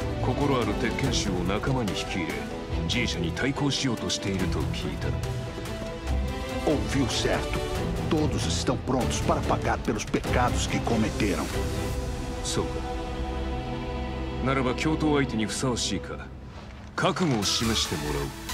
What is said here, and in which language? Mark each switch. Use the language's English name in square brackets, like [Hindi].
[Japanese] 心ある鉄拳衆を仲間に引き入れ、ジーシャに対抗しようとしていると聞いた。 [Portuguese] Ouviu certo. Todos estão prontos para pagar pelos pecados que cometeram. [Japanese] そう。ならば共闘相手にふさわしいか、覚悟を示してもらう。